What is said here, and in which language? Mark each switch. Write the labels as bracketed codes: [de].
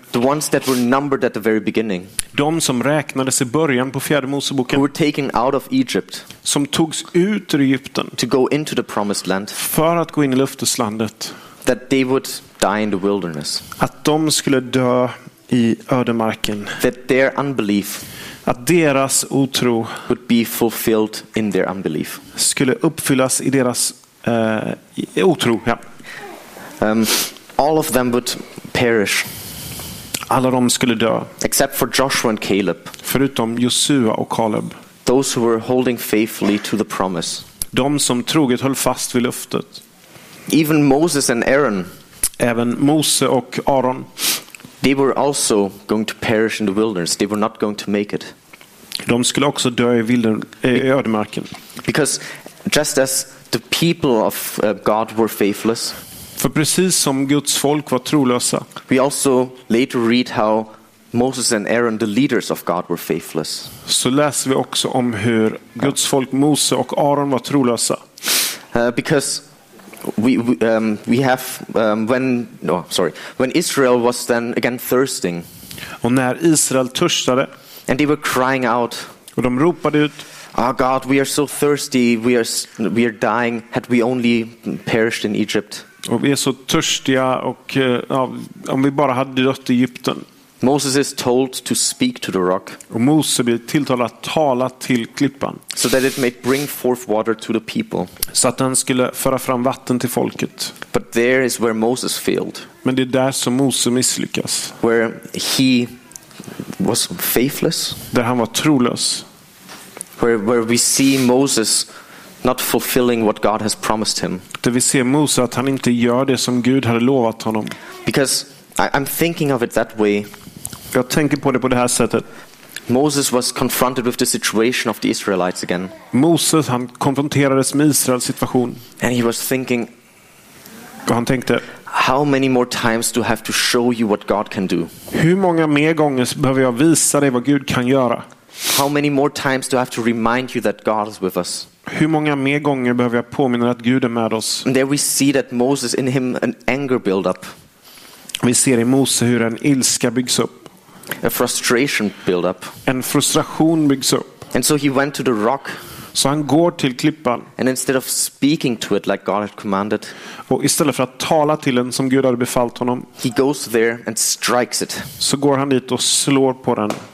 [en] The ones that were numbered at the very beginning. [sv] De som räknades i början på fjärde Moseboken. [en] Who were taken out of Egypt. [sv] Som togs ut ur Egypten. [en] To go into the promised land. [sv] För att gå in i löfteslandet. [en] That they would die in the wilderness. [sv] Att de skulle dö i ödemarken. [en] That their unbelief. [sv] Att deras otro. [en] Would be fulfilled in their unbelief. [sv] Skulle uppfyllas i deras otro. Ja. [en] All of them would perish. [sv] Alla de skulle dö. [en] Except for Joshua and Caleb. [sv] Förutom Josua och Caleb. [en] Those who were holding faithfully to the promise. [sv] De som troget höll fast vid löftet. [en] Even Moses and Aaron. [sv] Även Mose och Aaron. [en] They were also going to perish in the wilderness. They were not going to make it. [sv] De skulle också dö i ödemarken. [en] Because just as the people of God were faithless. [sv] För precis som Guds folk var trolösa. [en] We also later read how Moses and Aaron, the leaders of God, were faithless. [sv] Så läser vi också om hur Guds folk Mose och Aaron var trolösa. [en] Because when Israel was then again thirsting. [sv] Och när Israel törstade. [en] And they were crying out. [sv] Och de ropade ut. [en] Oh God, we are so thirsty. We are dying. Had we only perished in Egypt. [sv] Och vi är så törstiga och om vi bara hade dött i Egypten. [en] Moses is told to speak to the rock. [sv] Och Mose blir tilltalad att tala till klippan. [en] So that it may bring forth water to the people. [sv] Så att den skulle föra fram vatten till folket. [en] But there is where Moses failed. [sv] Men det är där som Mose misslyckas. [en] Where he was faithless. [sv] Där han var trolös. [en] Where we see Moses not fulfilling what God has promised him. [sv] Där vi ser Mose att han inte gör det som Gud hade lovat honom. [en] Because I'm thinking of it that way. [sv] Jag tänker på det här sättet. [en] Moses was confronted with the situation of the Israelites again. [sv] Moses, han konfronterades med Israels situation. [en] And he was thinking. [sv] Och han tänkte. [en] How many more times do I have to show you what God can do? [sv] Hur många mer gånger behöver jag visa dig vad Gud kan göra? [en] How many more times do I have to remind you that God is with us? [sv] Hur många mer gånger behöver jag påminna att Gud är med oss? [en] And there we see that Moses in him an anger build up. [sv] Vi ser i Mose hur en ilska byggs upp. [en] A frustration build up. [sv] En frustration byggs upp. [en] And so he went to the rock. [sv] Så han går till klippan. [en] And instead of speaking to it like God had commanded. [sv] Och istället för att tala till den som Gud hade befallt honom. [en] He goes there and strikes it. [sv] Så går han dit och slår på den.